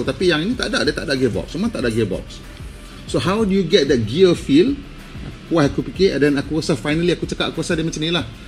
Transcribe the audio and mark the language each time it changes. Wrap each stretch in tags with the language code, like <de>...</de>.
<ms>Tapi yang ini tak ada, dia tak ada gearbox, semua tak ada gearbox.</ms> <en>So how do you get that gear feel?</en> <ms>Wah, aku fikir, dan aku rasa finally aku cakap, aku rasa dia macam ni lah.</ms>